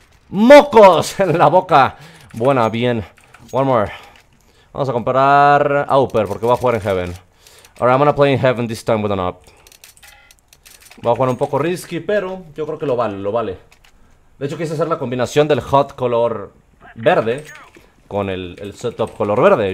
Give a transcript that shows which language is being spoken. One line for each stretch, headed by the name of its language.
Spanish: ¡Mocos en la boca! Buena, bien.
English: One more.
Spanish: Vamos a comprar a Upper porque va a jugar en Heaven.
English: Ahora, I'm gonna play in Heaven this time with an up.
Spanish: Va a jugar un poco risky, pero yo creo que lo vale, lo vale. De hecho, quise hacer la combinación del hot color verde con el setup color verde.